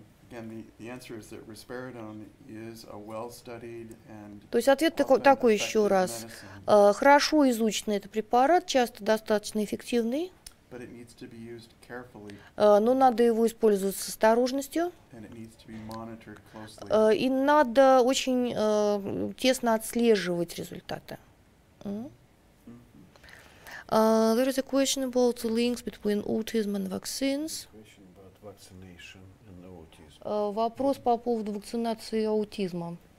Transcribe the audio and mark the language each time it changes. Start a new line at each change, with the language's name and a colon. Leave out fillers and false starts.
English: Again, the answer is that risperidone is a well-studied and.
Russian: То есть ответ такой еще раз. Хорошо изученный это препарат, часто достаточно эффективный.
English: But it needs to be used carefully.
Russian: Но надо его использовать с осторожностью.
English: And it needs to be monitored closely.
Russian: И надо очень тесно отслеживать результаты.
English: There is a question about the links between autism and vaccines. Question about vaccination and autism.
Russian: Вопрос по поводу вакцинации и аутизма.